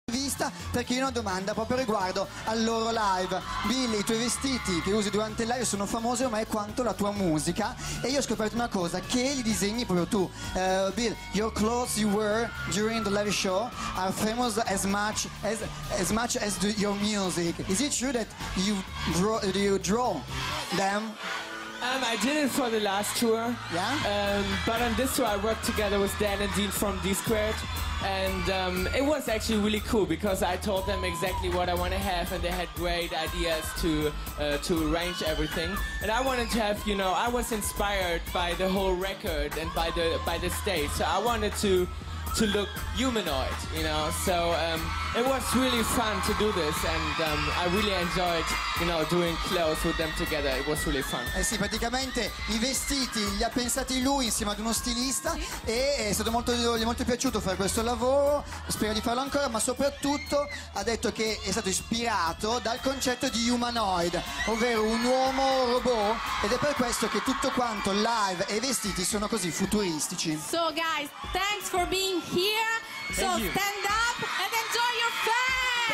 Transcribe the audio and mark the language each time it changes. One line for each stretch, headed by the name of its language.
Italian: vista, perché io ho una domanda proprio riguardo al loro live. Billy, i tuoi vestiti che usi durante il live sono famosi ormai quanto la tua musica, e io ho scoperto una cosa, che li disegni proprio tu.
English: Bill, your clothes you wear during the live show are famous as much as your music. Is it true that you draw them? I did it for the last tour. Yeah. But on this tour I worked together with Dan and Dean from D-Squared. And it was actually really cool because I told them exactly what I want to have, and they had great ideas to arrange everything. And I wanted to have, you know, I was inspired by the whole record and by the stage. So I wanted to look humanoid, you know. So it was really fun to do this, and I really enjoyed, you know, doing clothes with them together. It was really fun.
Italian: Eh sì, praticamente i vestiti li ha pensati lui insieme ad uno stilista, e è stato molto, gli è molto piaciuto fare questo lavoro, spero di farlo ancora, ma soprattutto ha detto che è stato ispirato dal concetto di humanoid, ovvero un uomo robot, ed è per questo che tutto quanto live e i vestiti sono così futuristici.
English: So guys, thanks for being here. So stand up and enjoy your fans.